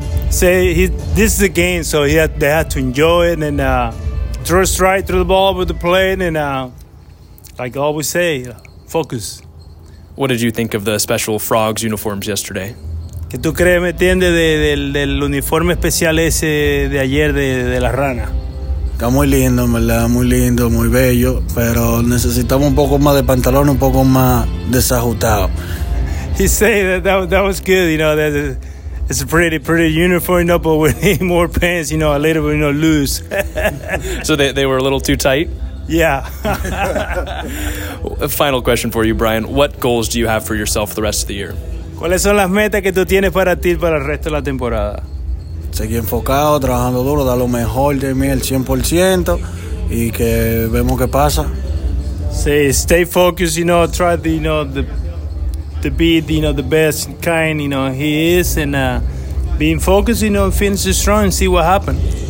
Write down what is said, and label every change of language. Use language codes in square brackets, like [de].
[en] Say this is a game, so they have to enjoy it and throw strike through the ball with the plane, and like I always say, focus. What did you think of the special Frogs uniforms yesterday? [es] ¿Qué tú crees, me entiendes, del uniforme especial ese de ayer de la rana? Está muy lindo, ¿verdad? Muy lindo, muy bello, pero necesitamos un poco más de pantalón, un poco más desajustado. [en] He said that was good, you know, that it's a pretty uniform, you know, but we need more pants, you know, a little bit, you know, loose. So they were a little too tight? Yeah. Final question for you, Brian. What goals do you have for yourself the rest of the year? [es] ¿Cuáles son las metas que tú tienes para ti para el resto de la temporada? Seguir enfocado, trabajando duro, dar lo mejor de mí, el 100%, y que vemos qué pasa. [en] Sí, stay focused, you know, try to, you know, to be, you know, the best kind, you know, he is, and being focused, you know, finish strong and see what happens.